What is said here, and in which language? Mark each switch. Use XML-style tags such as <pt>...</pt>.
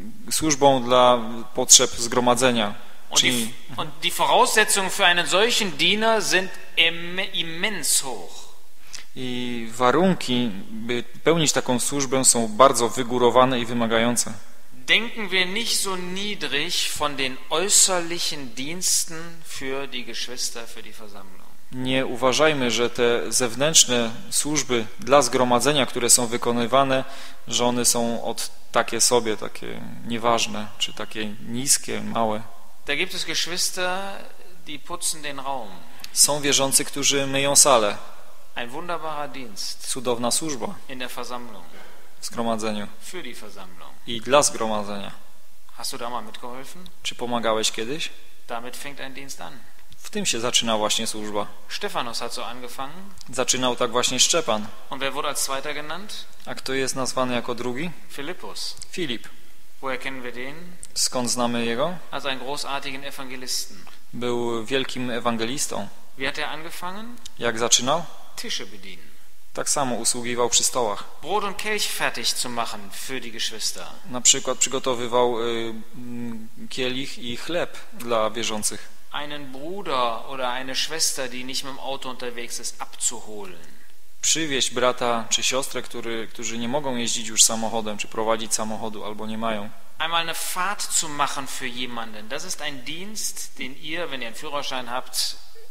<pl>Służbą dla potrzeb zgromadzenia.</pl> <de>Und die Voraussetzungen für einen solchen Diener sind immens hoch.</de> <pl>I warunki, by pełnić taką służbę, są bardzo wygórowane i wymagające.</pl> <de>Denken wir nicht so niedrig von den äußerlichen Diensten für die Geschwister, für die Versammlung.</de> <pl>Nie uważajmy, że te zewnętrzne służby dla zgromadzenia, które są wykonywane, że one są od takie sobie, takie nieważne, czy takie niskie, małe.</pl> <de>Da gibt es Geschwister, die putzen den Raum.</de> <pl>Są wierzący, którzy myją salę.</pl> <de>Ein wunderbarer Dienst.</de> <pl>Cudowna służba.</pl> <de>In der Versammlung.</de> <pl>W zgromadzeniu.</pl> <de>Für die Versammlung.</de> <pl>I dla zgromadzenia.</pl> <de>Hast du da mal mitgeholfen?</de> <pl>Czy pomagałeś kiedyś?</pl> <de>Damit fängt ein Dienst an.</de> <pl>W tym się zaczyna właśnie służba.</pl> <de>Stephanus hat so angefangen.</de> <pl>Zaczynał tak właśnie Szczepan.</pl> <de>Und wer wurde als zweiter genannt?</de> <pl>A kto jest nazwany jako drugi?</pl> <de>Philippus.</de> <pl>Filip.</pl> <de>Woher kennen wir den?</de> <pl>Skąd znamy jego?</pl> <de>Als einen großartigen Evangelisten.</de> <pl>Był wielkim ewangelistą.</pl> <de>Wie hat er angefangen?</de> <pl>Jak zaczynał?</pl> <de>Tische bedienen.</de> <pl>Tak samo usługiwał przy stołach.</pl> <de>Brot und Kelch fertig zu machen für die Geschwister.</de> <pl>Na przykład przygotowywał kielich i chleb dla wierzących.</pl> <de>Einen Bruder oder eine Schwester, die nicht mit dem Auto unterwegs ist, abzuholen.</de> <pl>Przywieźć brata czy siostrę, którzy nie mogą jeździć już samochodem, czy prowadzić samochodu, albo nie mają.</pl> <de>Einmal eine Fahrt zu machen für jemanden. Das ist ein Dienst, den ihr, wenn ihr einen Führerschein habt,</de>